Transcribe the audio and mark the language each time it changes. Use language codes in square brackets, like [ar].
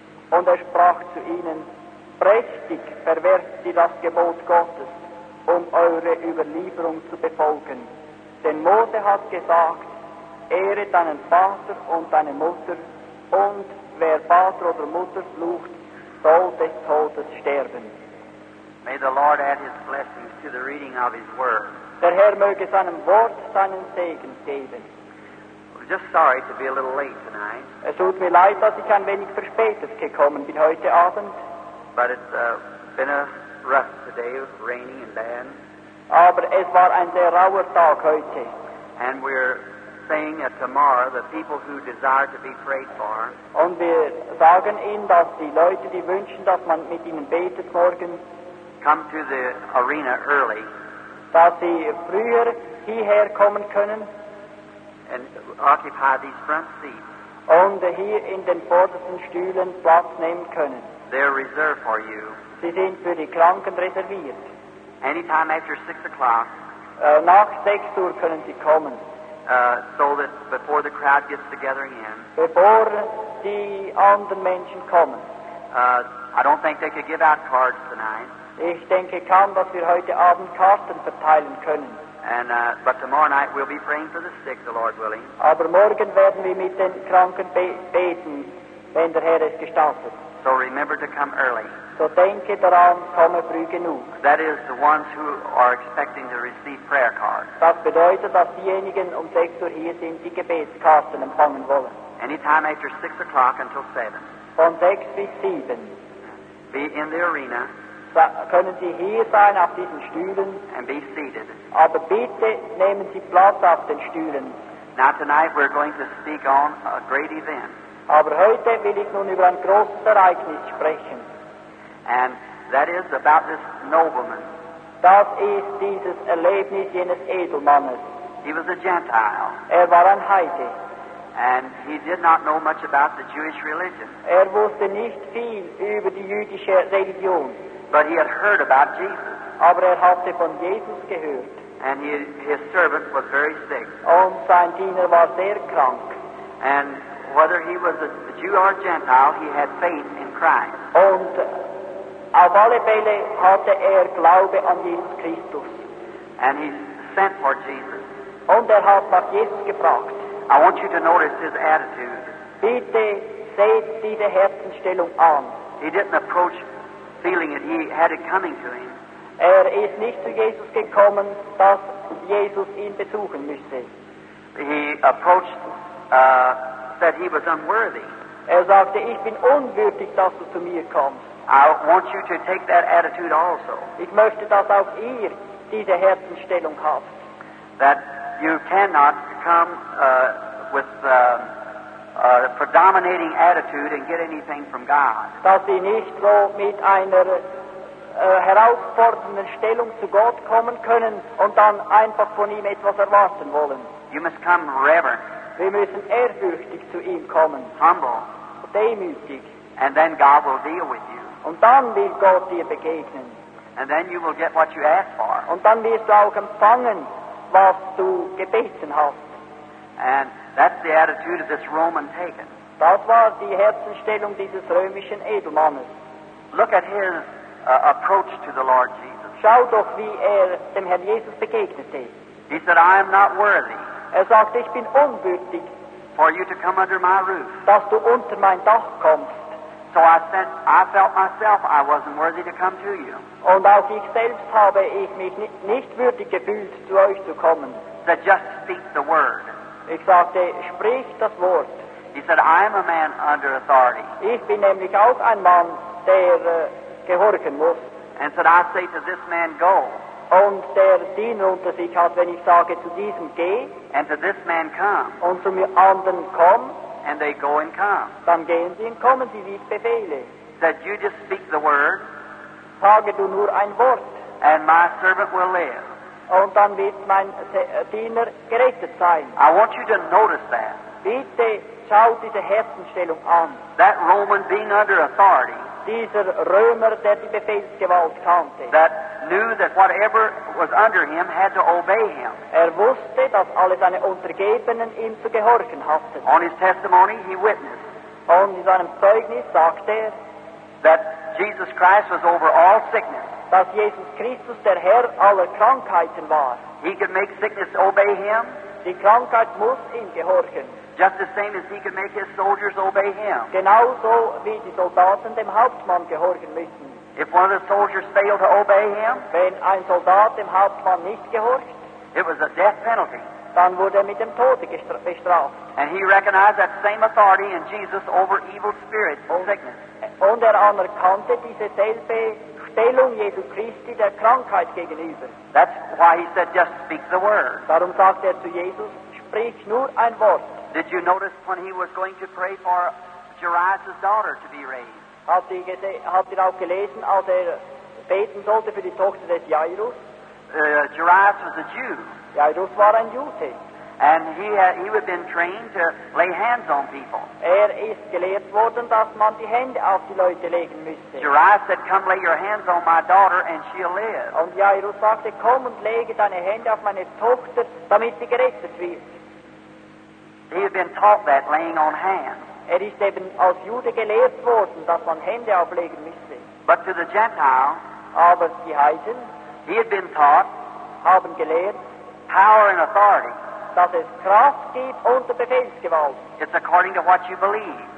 [de] Und er sprach zu ihnen, prächtig verwerft ihr das Gebot Gottes, um eure Überlieferung zu befolgen. Denn Mose hat gesagt, Ehre deinen Vater und deine Mutter, und wer Vater oder Mutter flucht, soll des Todes sterben. [en] May the Lord add his blessings to the reading of his word. [de] Der Herr möge seinem Wort seinen Segen geben. [en] I'm just sorry to be a little late tonight. [de] Es tut mir leid, dass ich ein wenig verspätet gekommen bin heute Abend. [en] But it's been a rough today, raining and bad. [de] Aber es war ein sehr rauer Tag heute. [en] And we're saying that tomorrow the people who desire to be prayed for. [de] Und wir sagen ihnen, dass die Leute, die wünschen, dass man mit ihnen betet morgen, [en] come to the arena early. [de] Dass sie früher hierher kommen können. [en] And occupy these front seats. [de] Und hier in den vordersten Stühlen Platz nehmen können. [en] They're reserved for you. [de] Sie sind für die Kranken reserviert. [en] Anytime after 6 o'clock. [de] Nach 6 Uhr können sie kommen. [en] So that before the crowd gets together again. [de] Bevor die anderen Menschen kommen. [en] I don't think they could give out cards tonight. [de] Ich denke kaum, dass wir heute Abend Karten verteilen können. [en] And, but tomorrow night we'll be praying for the sick, the Lord willing. [de] Aber morgen werden wir mit den Kranken beten, wenn der Herr es gestattet. [en] So remember to come early. [de] So denke daran, komme früh genug. [en] That is the ones who are expecting to receive prayer cards. [de] Das bedeutet, dass diejenigen um 6 Uhr hier sind, die Gebetskarten empfangen wollen. [en] Anytime after 6 o'clock until 7. [de] Von 6 bis 7. [en] Be in the arena. [de] Können Sie hier sein auf diesen Stühlen? [en] And be seated. [de] Aber bitte nehmen Sie Platz auf den Stühlen. [en] Now tonight we're going to speak on a great event. [de] Aber heute will ich nun über ein großes Ereignis sprechen. [en] And that is about this nobleman. [de] Das ist dieses Erlebnis jenes Edelmannes. [en] He was a Gentile. [de] Er war ein Heide. [en] And he did not know much about the Jewish religion. [de] Er wusste nicht viel über die jüdische Religion. [en] But he had heard about Jesus. [de] Aber er hatte von Jesus gehört. [en] And his servant was very sick. [de] Und sein Diener war sehr krank. [en] And whether he was a Jew or a Gentile, he had faith in Christ. [de] Und auf alle Fälle hatte er Glaube an Jesus Christus. [en] And he sent for Jesus. [de] Und er hat nach Jesus gefragt. [en] I want you to notice his attitude. [de] Bitte seht diese Herzenstellung an. [en] He didn't approach feeling it, he had it coming to him. [de] Er ist nicht zu Jesus gekommen, dass Jesus ihn besuchen müsste. [en] He approached, said he was unworthy. [de] Er sagte, ich bin unwürdig, dass du zu mir kommst. [en] I want you to take that attitude also. [de] Ich möchte, dass auch ihr diese Herzenstellung habt. [en] That you cannot come with a predominating attitude and get anything from God. [de] Dass sie nicht so mit einer herausfordernden Stellung zu Gott kommen können und dann einfach von ihm etwas erwarten wollen. [en] You must come reverent. [de] Wir müssen ehrfürchtig zu ihm kommen. [en] Humble. [de] Demütig. [en] And then God will deal with you. [de] Und dann wird Gott dir begegnen. [en] And then you will get what you asked for. [de] Und dann wirst du auch empfangen, was du gebeten hast. [en] And that's the attitude of this Roman pagan. [de] Das war die Herzenstellung dieses römischen Edelmannes. [en] Look at his approach to the Lord Jesus. [de] Schau doch, wie er dem Herrn Jesus begegnete. [en] He said, I am not worthy. [de] Er sagte, ich bin unwürdig. [en] For you to come under my roof. [de] Dass du unter mein Dach kommst. [en] So I said, I felt myself I wasn't worthy to come to you. [de] Und auch ich selbst habe ich mich nicht würdig gefühlt, zu euch zu kommen. [en] So just speak the word. [de] Ich sagte, sprich das Wort. [en] He said, I am a man under authority. [de] Ich bin nämlich auch ein Mann, der gehorchen muss. [en] And said, I say to this man, go. [de] Und der Diener unter sich hat, wenn ich sage, zu diesem geh. [en] And to this man, come. [de] Und zum anderen komm. [en] And they go and come. [de] Dann gehen sie und kommen sie, wie ich befehle. [en] Said, you just speak the word. [de] Sage du nur ein Wort. [en] And my servant will live. [de] Und dann wird mein Diener gerettet sein. [en] I want you to notice that. [de] Bitte schau diese Herzenstellung an. [en] That Roman being under authority. [de] Dieser Römer, der die Befehlsgewalt kannte. [en] That knew that whatever was under him had to obey him. [de] Er wusste, dass alle seine Untergebenen ihm zu gehorchen hatten. [en] On his testimony, he witnessed. [de] Und in seinem Zeugnis sagte er, [en] that Jesus Christ was over all sickness. [de] Dass Jesus Christus der Herr aller Krankheiten war. [en] He could make sickness obey him. [de] Die Krankheit muss ihm gehorchen. [en] Just the same as he could make his soldiers obey him. [de] Genauso wie die Soldaten dem Hauptmann gehorchen müssen. [en] If one of the soldiers failed to obey him, [de] wenn ein Soldat dem Hauptmann nicht gehorcht, [en] it was a death penalty. [de] Dann wurde mit dem Tode bestraft. [en] And he recognized that same authority in Jesus over evil spirits and sickness. [de] Und anerkannte diese selbe Stellung Jesu Christi der Krankheit gegenüber. [en] That's why he said, just speak the word. [de] Darum sagte zu Jesus, sprich nur ein Wort. [en] Did you notice when he was going to pray for Jairus' daughter to be raised? [de] Habt ihr auch gelesen, als beten sollte für die Tochter des Jairus? [en] Jairus was a Jew. [de] Jairus war ein Jude. [en] And he had been trained to lay hands on people. [de] Ist gelehrt worden, dass man die Hände auf die Leute legen müsste. [en] Jairus said, come lay your hands on my daughter and she'll live. [de] Und Jairus sagte, komm und lege deine Hände auf meine Tochter, damit sie gerettet wird. [en] He had been taught that, laying on hands. [de] Ist eben als Jude gelehrt worden, dass man Hände auflegen müsste. [en] But to the Gentile, [de] aber die Heiden, [en] he had been taught, [de] haben gelehrt, [en] power and authority, [de] dass es Kraft gibt unter Befehlsgewalt. [en] It's according to what you believe.